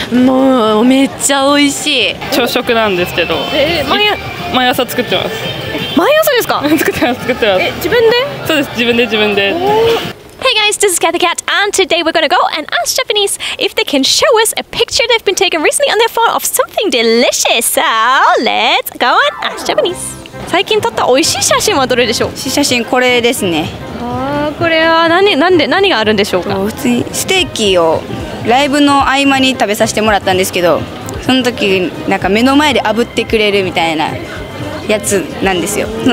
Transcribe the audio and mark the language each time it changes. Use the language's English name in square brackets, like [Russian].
[Japanese] もうめっちゃ美味しい朝食なんですけど、毎朝作ってます。毎朝ですか？作ってます。自分で？そうです、自分で。 [English] Hey guys, this is Cathy Cat, and today we're gonna go and ask Japanese if they can show us a picture they've been taken recently on their phone of something delicious. So let's go and ask Japanese. [Japanese] 最近撮った美味しい写真はどれでしょう？写真これですね。これは 何があるんでしょうか？普通にステーキをライブの合間に食べさせてもらったんですけど、その時なんか目の前で炙ってくれるみたいなやつなんですよ。